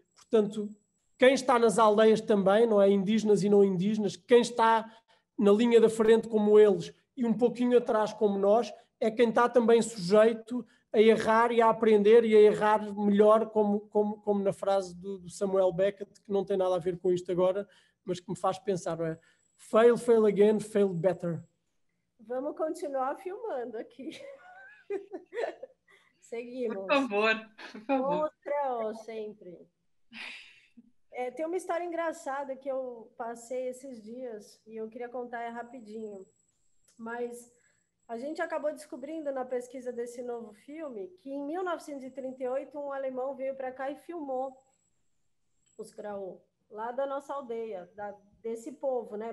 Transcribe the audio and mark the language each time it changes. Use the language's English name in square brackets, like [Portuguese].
[Portuguese] Portanto, quem está nas aldeias também, não é? Indígenas e não indígenas, quem está na linha da frente como eles e um pouquinho atrás como nós, é quem está também sujeito a errar e a aprender e a errar melhor, como na frase do Samuel Beckett, que não tem nada a ver com isto agora, mas que me faz pensar, não é? [English] Fail, fail again, fail better. [Portuguese] Vamos continuar filmando aqui. Seguimos. Por favor. Outra, sempre. Tem uma história engraçada que eu passei esses dias e eu queria contar rapidinho. Mas a gente acabou descobrindo na pesquisa desse novo filme que em 1938 um alemão veio para cá e filmou os Craô, lá da nossa aldeia, desse povo, né?